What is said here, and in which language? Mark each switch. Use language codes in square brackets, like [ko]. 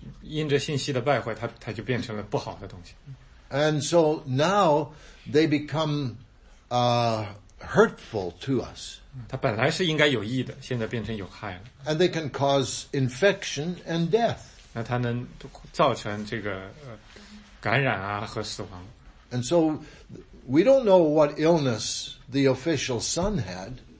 [zh] 那有些细菌呢，就像这些长不出枝子的这个刺一样，那它因着信息的败坏，它就变成了不好的东西。 [en] And so now they become hurtful to us. [zh] 它本来是应该有益的，现在变成有害了。 [en] And they can cause infection and death. [zh] 那它能造成这个感染啊和死亡。 [en] And so we don't know what illness the official son had.